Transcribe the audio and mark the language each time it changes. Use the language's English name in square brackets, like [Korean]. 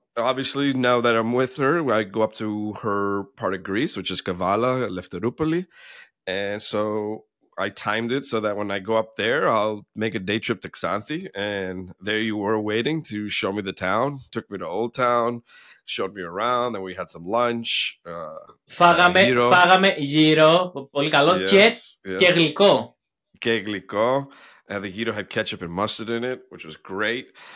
[English] Obviously, now that I'm with her, I go up to her part of Greece, which is Kavala, Eleftheroupoli. And so I timed it so that when I go up there, I'll make a day trip to Xanthi. And there you were waiting to show me the town. Took me to Old Town, showed me around, and we had some lunch. [Greek] Φάγαμε γύρω, πολύ καλό, και γλυκό. Και γλυκό. [English] And the gyro had ketchup and mustard in it, which was great.